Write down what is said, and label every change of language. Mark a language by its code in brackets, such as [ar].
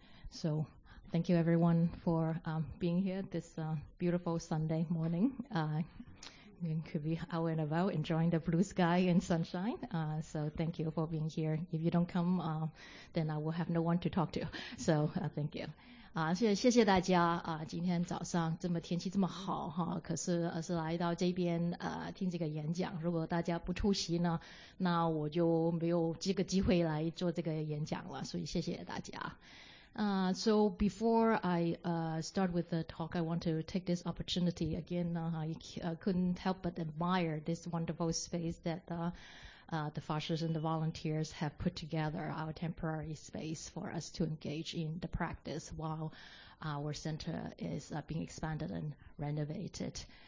[en] So thank you everyone for being here this beautiful Sunday morning. You could be out and about enjoying the blue sky and sunshine. So thank you for being here. If you don't come, then I will have no one to talk to. So thank you. [zh] 谢谢大家，今天早上这么天气这么好，可是来到这边听这个演讲，如果大家不出席呢，那我就没有这个机会来做这个演讲了，所以谢谢大家。 [en] So before I start with the talk, I want to take this opportunity again. I couldn't help but admire this wonderful space that the Foshas and the volunteers have put together, our temporary space for us to engage in the practice while our center is being expanded and renovated.